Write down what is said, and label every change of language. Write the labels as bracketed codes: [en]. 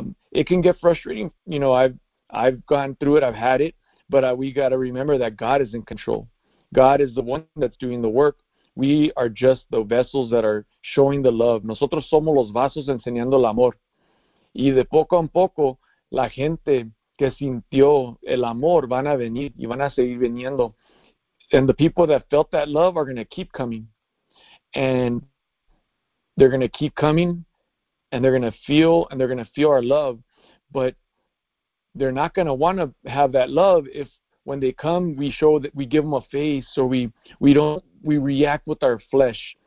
[en] It can get frustrating, you know, I've gone through it, I've had it, but we got to remember that God is in control. God is the one that's doing the work. We are just the vessels that are showing the love. [es] Nosotros somos los vasos enseñando el amor. Y de poco en poco, la gente que sintió el amor van a venir y van a seguir viniendo. [en] And the people that felt that love are going to keep coming. And they're going to keep coming, and they're going to feel our love, but they're not going to want to have that love if when they come, we show that we give them a face, or we react with our flesh.